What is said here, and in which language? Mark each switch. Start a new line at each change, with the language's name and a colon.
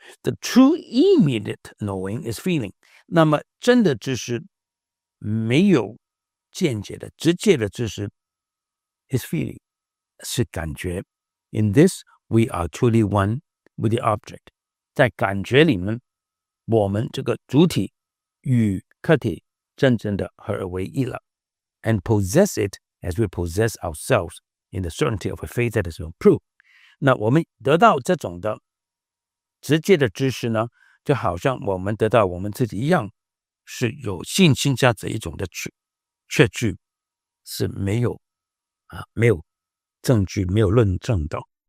English: The true immediate knowing is feeling.
Chinese: 那么真的知识没有间接的直接的知识
English: is feeling,
Chinese: 是感觉。
English: In this, we are truly one with the object.
Chinese: 在感觉里面我们这个主体与客体真正的合而为一了。
English: And possess it as we possess ourselves in the certainty of a faith that is not proved.
Chinese: 那我们得到这种的直接的知识呢，就好像我们得到我们自己一样，是有信心加这一种的确据，是没有啊，没有证据，没有论证的。